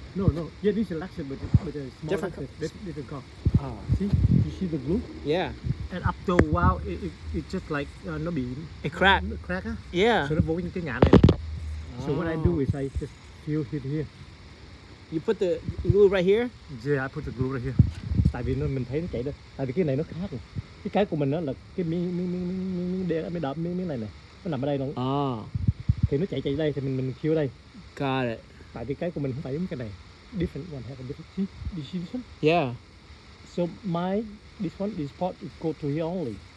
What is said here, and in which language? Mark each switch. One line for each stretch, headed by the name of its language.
English: No. Yeah, this is a Lexus, but a different Lexus. Different car. See, you see the glue? Yeah. And after a while, it just like not be a crack. Cracker. Yeah. So the So what I do is I just fill it here. You put the glue right here? Yeah, I put the glue right here.
Vietnamese: Tại vì mình thấy nó chảy đó. Tại vì cái này nó khác rồi. Cái của mình nó là cái miếng đen mới đập miếng này này. Nó nằm ở đây luôn. Thì nó chảy đây thì mình chiếu đây.
English: Got it.
Vietnamese: Tại vì cái của mình không phải giống cái này.
English: Different one have a different distribution. Yeah. So my this one this part is go to here only.